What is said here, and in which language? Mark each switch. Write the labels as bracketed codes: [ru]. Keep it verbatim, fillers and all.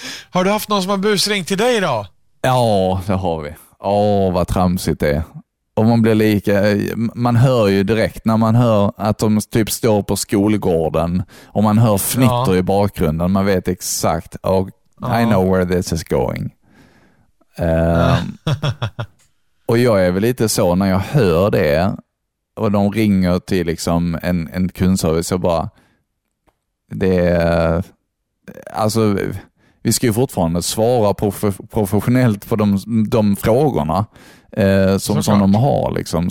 [sv] Har du haft någon som har busringt till dig idag? Ja, det har vi. Åh, vad tramsigt det är. Och man blir lika, man hör ju direkt när man hör att de typ står på skolgården och man hör fnitter ja. I bakgrunden. Man vet exakt, [en] oh, ja. I know where this is going. [sv] Um, och jag är väl lite så när jag hör det och de ringer till liksom en, en kundservice och bara det är, alltså vi ska ju fortfarande svara prof- professionellt på de, de frågorna eh, som, som de har liksom.